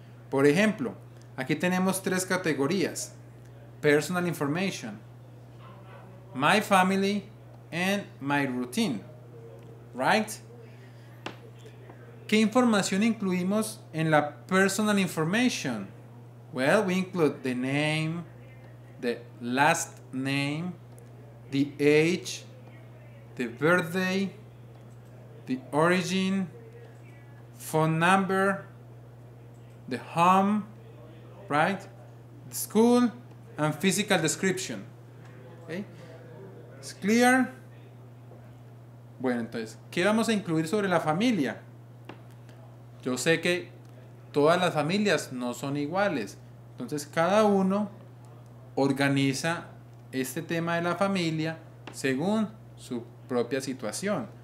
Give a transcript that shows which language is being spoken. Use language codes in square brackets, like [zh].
[es] Por ejemplo, aquí tenemos tres categorías: Personal Information, My Family and My Routine. Right? ¿Qué información incluimos en la Personal Information? [en] Well, we include the name, the last name, the age, the birthday, the origin, phone number, the home, right, the school, and physical description. Okay. It's clear? [es] Bueno, entonces, ¿qué vamos a incluir sobre la familia? Yo sé que todas las familias no son iguales. Entonces, cada uno organiza este tema de la familia según su propia situación.